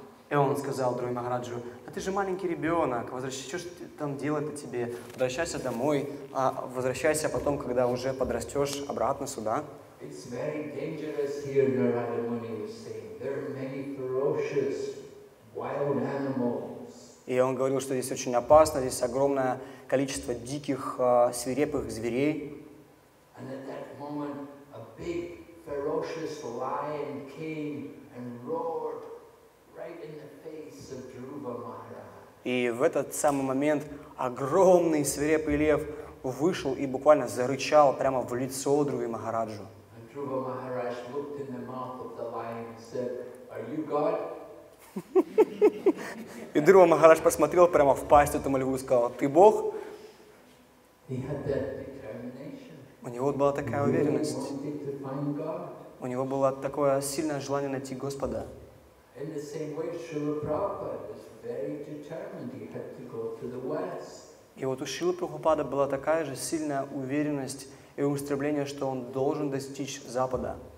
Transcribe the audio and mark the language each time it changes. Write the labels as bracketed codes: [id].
[ru] И он сказал Дхрува Махараджу: «А ты же маленький ребенок, возвращайся, что там делать-то тебе? Возвращайся домой, а возвращайся потом, когда уже подрастешь, обратно сюда». [en] It's very dangerous here, Narada Muni was saying. There are many ferocious wild animals. [ru] И он говорил, что здесь очень опасно, здесь огромное количество диких свирепых зверей. [en] And at that moment, a big ferocious lion came and roared right in the face of Dhruva Maharaj. [ru] И в этот самый момент огромный свирепый лев вышел и буквально зарычал прямо в лицо Дхрувы Махараджу. [en] Dhruva Maharaj looked in the mouth of the lion and said, "Are you God?" [ru] И Дхрува Махарадж посмотрел прямо в пасть этому льву и сказал: "Ты Бог?" [en] He had that determination. [ru] У него была такая уверенность. [en] He wanted to find God. [ru] У него было такое сильное желание найти Господа. [en] In the same way, Srila Prabhupada was very determined. He had to go to the West. [ru] И вот у Шрилы Прабхупады была такая же сильная уверенность и устремление, что он должен достичь Запада.